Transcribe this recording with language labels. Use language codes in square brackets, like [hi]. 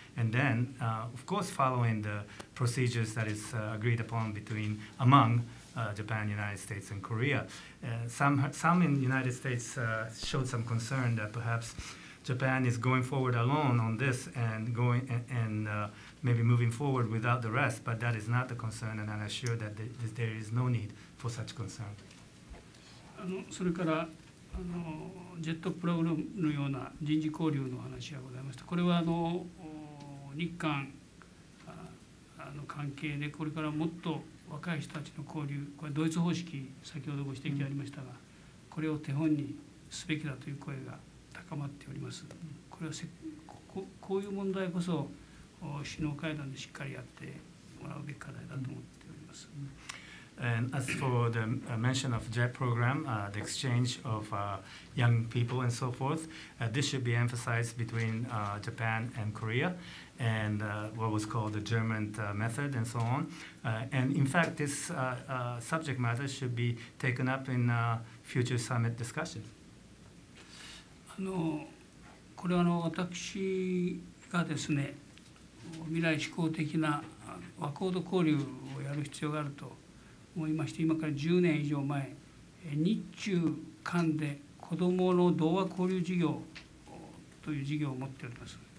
[en] And then, of course, following the procedures that is agreed upon between among Japan, United States, and Korea. Some in the United States showed some concern that perhaps Japan is going forward alone on this and going maybe moving forward without the rest, but that is not the concern, and I assure that there is no need for such concern. [ja] それから、ジェットプログラムのような人事交流の話がございました。これは日韓の関係でこれからもっと若い人たちの交流、これドイツ方式、先ほどご指摘ありましたが、これを手本にすべきだという声が高まっております。これはこういう問題こそ首脳会談でしっかりやってもらうべき課題だと思っております。 [en] And as for the mention of JET program, the exchange of young people and so forth, this should be emphasized between Japan and Koreaand what was called the German method and so on. And in fact, this subject matter should be taken up in future summit discussions. [ja] これは私がですね、未来志向的な和高度交流をやる必要があると思いまして、今から10年以上前、日中韓で子どもの童話交流事業という事業を持っております。